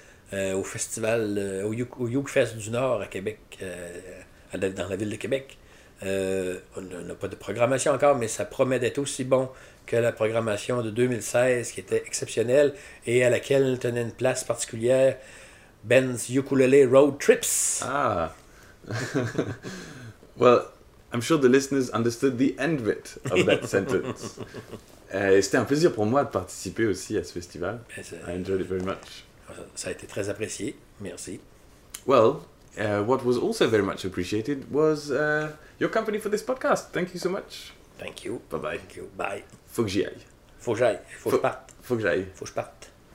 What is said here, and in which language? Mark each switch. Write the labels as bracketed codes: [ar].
[fr] Au festival au Yukfest du Nord à Québec, dans la ville de Québec. On n'a pas de programmation encore, mais ça promet d'être aussi bon que la programmation de 2016, qui était exceptionnelle et à laquelle tenait une place particulière Ben's Ukulele Road Trips. Ah! [en] Well, I'm sure the listeners understood the end bit of that sentence. [fr] C'était un plaisir pour moi de participer aussi à ce festival. [en] I enjoyed it very much. [fr] Ça a été très apprécié. Merci. [en] Well, what was also very much appreciated was your company for this podcast. Thank you so much. Thank you. Bye-bye. Thank you. Bye. [fr] Faut que j'y aille. Faut que j'aille. Faut que je parte. Faut que j'aille. Faut que je parte.